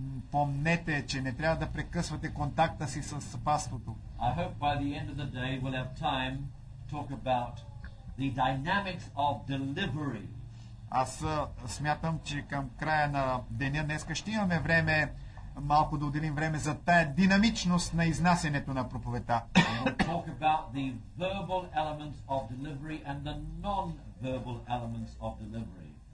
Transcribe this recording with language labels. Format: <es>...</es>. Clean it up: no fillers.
<bg>Помнете, че не трябва да прекъсвате контакта си с паството.</bg> <en>I hope by the end of the day we'll have time to talk about the dynamics of delivery.</en> <bg>Аз смятам, че към края на деня днеска ще имаме време, малко да отделим време за тая динамичност на изнасянето на проповедта.</bg> <en>We'll talk about the verbal elements of delivery and the non-verbal elements of delivery.</en>